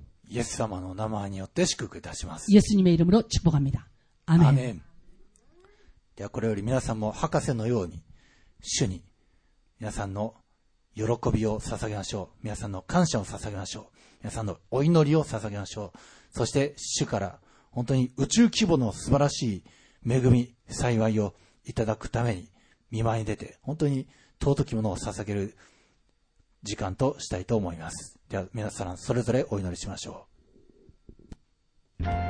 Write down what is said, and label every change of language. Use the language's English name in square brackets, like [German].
[Japanese] 예수様の名前によって祝福いたします [Korean] 예수님의이름으로축복합니다아멘, 아멘 [Japanese] ではこれより皆さんも博士のように主に皆さんの喜びを捧げましょう皆さんの感謝を捧げましょう皆さんのお祈りを捧げましょうそして主から本当に宇宙規模の素晴らしい恵み幸いをいただくために見舞いに出て本当に尊きものを捧げる時間としたいと思いますでは皆さんそれぞれお祈りしましょう